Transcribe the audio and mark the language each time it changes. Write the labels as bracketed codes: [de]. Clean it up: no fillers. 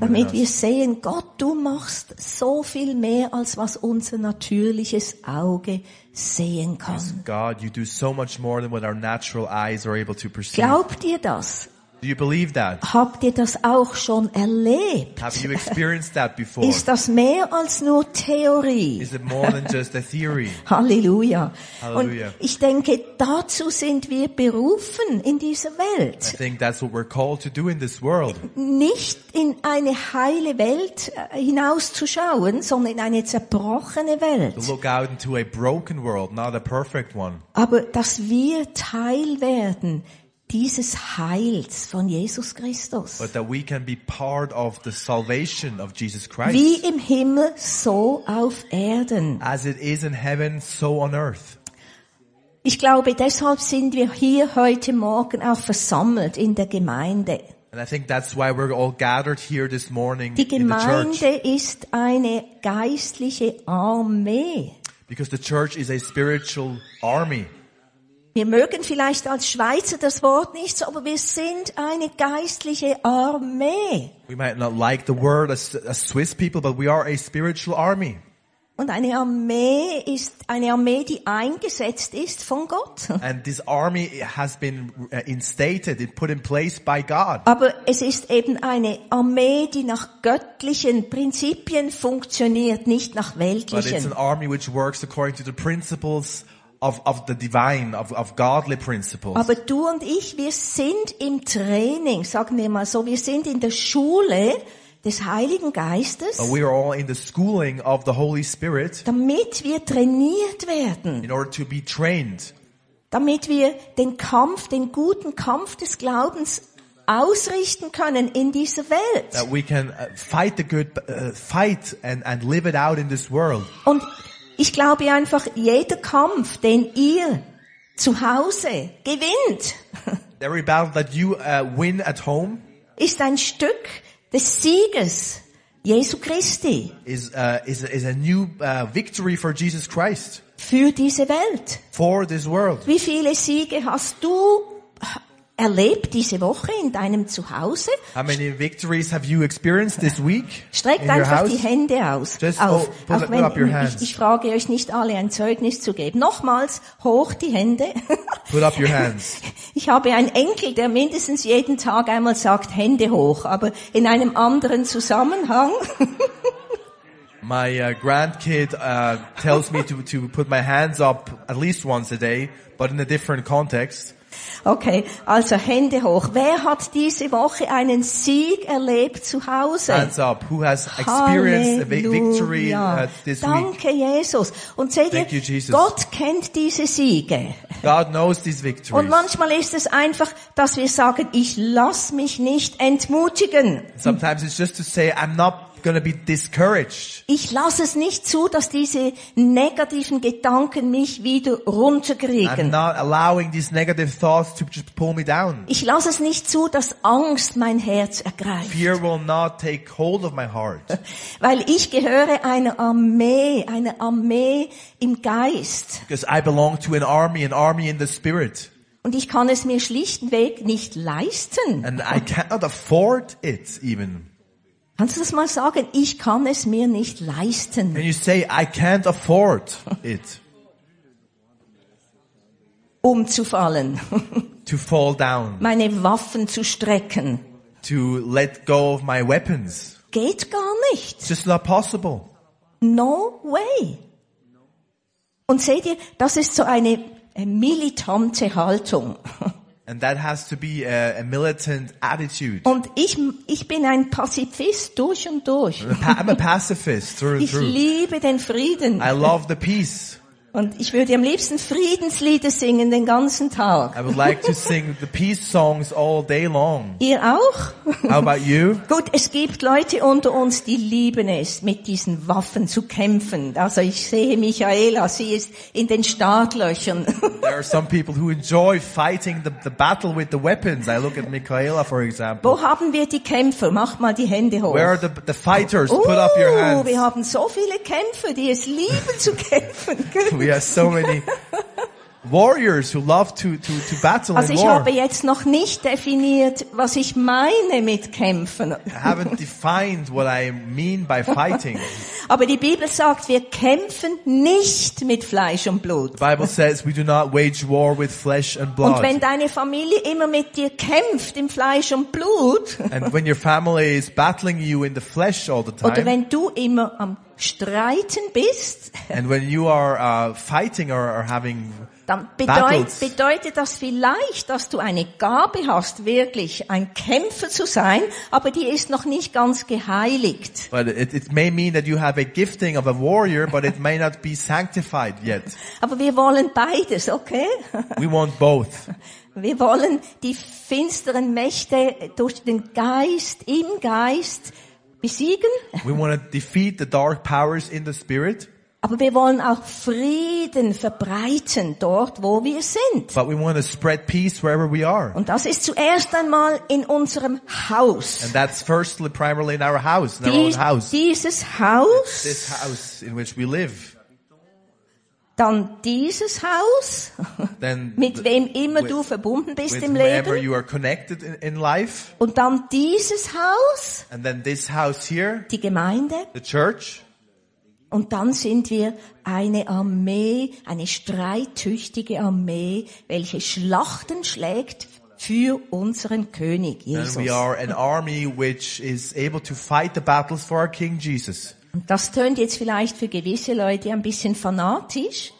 [de] Damit wir sehen, Gott, du machst so viel mehr als was unser natürliches Auge sehen kann. [en] Yes, God, you do so much more than what our natural eyes are able to perceive. [de] Glaubt ihr das? [en] Do you believe that? [de] Habt ihr das auch schon erlebt? [en] Have you experienced that before? [de] Ist das mehr als nur Theorie? [en] Is it more than just a theory? [de] Halleluja. [en] Halleluja. [de] Und ich denke, dazu sind wir berufen in dieser Welt. [en] I think that's what we're called to do in this world. [de] Nicht in eine heile Welt hinauszuschauen, sondern in eine zerbrochene Welt. [en] To look out into a broken world, not a perfect one. [de] Aber dass wir Teil werden dieses Heils von Jesus Christus. [en] But that we can be part of the salvation of Jesus Christ. [de] Wie im Himmel, so auf Erden. [en] As it is in heaven, so on earth. [de] Ich glaube, deshalb sind wir hier heute Morgen auch versammelt in der Gemeinde. [en] And I think that's why we're all gathered here this morning. [de] Die Gemeinde ist eine geistliche Armee. [en] Because the church is a spiritual army. [de] Wir mögen vielleicht als Schweizer das Wort nicht, aber wir sind eine geistliche Armee. [en] We might not like the word as Swiss people, but we are a spiritual army. [de] Und eine Armee ist eine Armee, die eingesetzt ist von Gott. [en] And this army has been instated, put in place by God. [de] Aber es ist eben eine Armee, die nach göttlichen Prinzipien funktioniert, nicht nach weltlichen. [en] But it's an army which works according to the principles of the divine, of godly principles. [de] Aber du und ich, wir sind im Training, sagen wir mal so, wir sind in der Schule des Heiligen Geistes. [en] But we are all in the schooling of the Holy Spirit. [de] Damit wir trainiert werden. [en] In order to be trained. [de] Damit wir den Kampf, den guten Kampf des Glaubens ausrichten können in dieser Welt. [en] That we can fight the good fight and live it out in this world. [de] Und ich glaube einfach, jeder Kampf, den ihr zu Hause gewinnt, [en] every battle that you win at home, [de] ist ein Stück des Sieges Jesu Christi. [en] Is a new victory for Jesus Christ. [de] Für diese Welt. [en] For this world. [de] Wie viele Siege hast du erlebt diese Woche in deinem Zuhause? [en] How many victories have you experienced this week? [de] Streckt einfach [en] house? [de] Die Hände aus. [en] Just [de] auf, [en] put [de] wenn, [en] up your hands. [de] Ich frage euch nicht alle ein Zeugnis zu geben. Nochmals, hoch die Hände. [en] Put up your hands. [de] Ich habe einen Enkel, der mindestens jeden Tag einmal sagt, Hände hoch, aber in einem anderen Zusammenhang. [en] My grandkid tells me to put my hands up at least once a day, but in a different context. [de] Okay, also Hände hoch. Wer hat diese Woche einen Sieg erlebt zu Hause? [en] Hands up. Who has experienced a victory this week? [de] Danke, Jesus. Und seht ihr, [en] thank you, Jesus. [de] Gott kennt diese Siege. [en] God knows these victories. [de] Und manchmal ist es einfach, dass wir sagen, ich lass mich nicht entmutigen. [en] Sometimes it's just to say, I'm not going to be discouraged. [de] Ich lasse es nicht zu, dass diese negativen Gedanken mich wieder runterkriegen. [en] I'm not allowing these negative thoughts to just pull me down. [de] Ich lasse es nicht zu, dass Angst mein Herz ergreift. [en] Fear will not take hold of my heart. [de] Weil ich gehöre einer Armee im Geist. [en] Because I belong to an army in the spirit. [de] Und ich kann es mir schlichtweg nicht leisten. [en] And I cannot afford it even. [de] Kannst du das mal sagen? Ich kann es mir nicht leisten. [en] Can you say, I can't afford it? [de] Umzufallen. [en] To fall down. [de] Meine Waffen zu strecken. [en] To let go of my weapons. [de] Geht gar nicht. [en] It's just not possible. No way. [de] Und seht ihr, das ist so eine militante Haltung. [en] And that has to be a militant attitude. [de] Und ich bin ein Pazifist durch und durch. [en] I'm a pacifist through and through. [de] Ich liebe den Frieden. [en] I love the peace. [de] Und ich würde am liebsten Friedenslieder singen den ganzen Tag. [en] I would like to sing the peace songs all day long. [de] Ihr auch? [en] How about you? [de] Gut, es gibt Leute unter uns, die lieben es, mit diesen Waffen zu kämpfen. Also ich sehe Michaela, sie ist in den Startlöchern. [en] There are some people who enjoy fighting the battle with the weapons. I look at Michaela, for example. [de] Wo haben wir die Kämpfer? Mach mal die Hände hoch. [en] Where are the fighters? Oh, put up your hands. [de] Wir haben so viele Kämpfer, die es lieben zu kämpfen. [en] We have so many warriors who love to battle also in war. [de] Also ich habe jetzt noch nicht definiert, was ich meine mit kämpfen. [en] I haven't defined what I mean by fighting. [de] Aber die Bibel sagt, wir kämpfen nicht mit Fleisch und Blut. [en] The Bible says we do not wage war with flesh and blood. [de] Und wenn deine Familie immer mit dir kämpft im Fleisch und Blut. [en] And when your family is battling you in the flesh all the time. [de] Oder wenn du immer am streiten bist. [en] And when you are fighting or having [de] Bedeutet das vielleicht, dass du eine Gabe hast, wirklich ein Kämpfer zu sein, aber die ist noch nicht ganz geheiligt. [en] But it may mean that you have a gifting of a warrior, but it may not be sanctified yet. [de] Aber wir wollen beides, okay? [en] We want both. [de] Wir wollen die finsteren Mächte durch den Geist, im Geist besiegen. [en] We want to defeat the dark powers in the spirit. [de] Aber wir wollen auch Frieden verbreiten dort, wo wir sind. [en] But we want to spread peace wherever we are. [de] Und das ist zuerst einmal in unserem Haus. [en] And that's firstly, primarily in our house, in our own house. [de] Dieses Haus. [en] It's this house in which we live. [de] Dann dieses Haus. [en] Then [de] mit wem immer du verbunden bist im Leben. [en] With whoever you are connected in life. [de] Und dann dieses Haus. [en] And then this house here. [de] Die Gemeinde. [en] The church. [de] Und dann sind wir eine Armee, eine streittüchtige Armee, welche Schlachten schlägt für unseren König Jesus. [en] And we are an army which is able to fight the battles for our King Jesus. [de] Und das tönt jetzt vielleicht für gewisse Leute ein bisschen fanatisch.